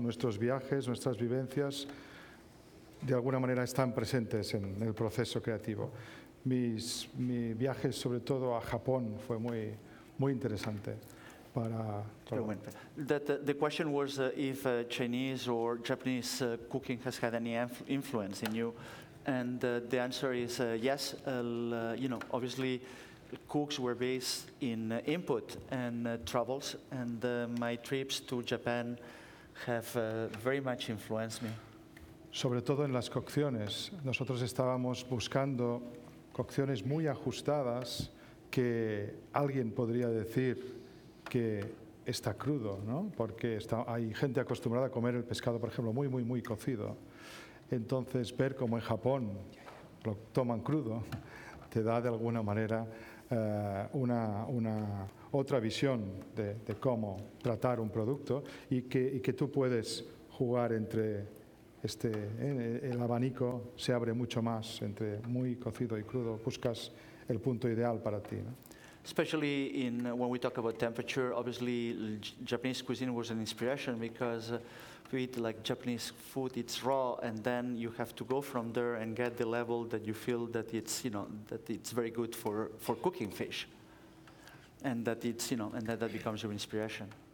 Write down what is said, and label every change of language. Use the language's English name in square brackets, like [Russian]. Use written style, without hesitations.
[Spanish] Nuestros viajes, nuestras vivencias, de alguna manera están presentes en el proceso creativo. Mi viaje, sobre todo a Japón, fue muy... Muy interesante para [English] the question was if Chinese or Japanese cooking has had any influence in you, and the answer is yes. You know, obviously, cooks were based in input and travels, and my trips to Japan have very much influenced me. [Spanish] Sobre todo en las cocciones, nosotros estábamos buscando cocciones muy ajustadas. Que alguien podría decir que está crudo, ¿no? Porque hay gente acostumbrada a comer el pescado, por ejemplo, muy, muy, muy cocido. Entonces, ver cómo en Japón lo toman crudo te da, de alguna manera, una otra visión de cómo tratar un producto y que tú puedes jugar entre el abanico se abre mucho más entre muy cocido y crudo. Buscas el punto ideal para ti, ¿no? [English] Especially in when we talk about temperature, obviously Japanese cuisine was an inspiration because we eat like Japanese food, it's raw, and then you have to go from there and get the level that you feel that it's, you know, that it's very good for cooking fish, and that it's, you know, and that becomes your inspiration.